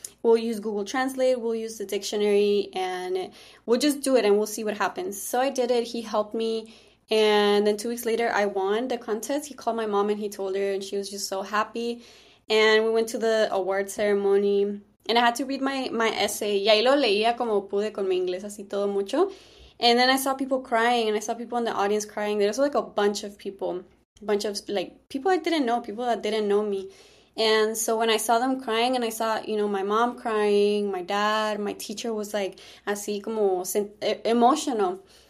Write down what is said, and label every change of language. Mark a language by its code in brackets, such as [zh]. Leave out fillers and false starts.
[en] We'll use Google Translate. We'll use the dictionary. And we'll just do it, and we'll see what happens. So I did it. He helped me And then 2 weeks later, I won the contest. He called my mom and he told her, and she was just so happy. And we went to the award ceremony, and I had to read my essay. [es] Y ahí lo leía como pude con mi inglés, así todo mucho. [en] And then I saw people crying, and I saw people in the audience crying. There was like a bunch of people, a bunch of like people I didn't know, people that didn't know me. And so when I saw them crying, and I saw, my mom crying, my dad, my teacher was like, [es] así como [en] emotional.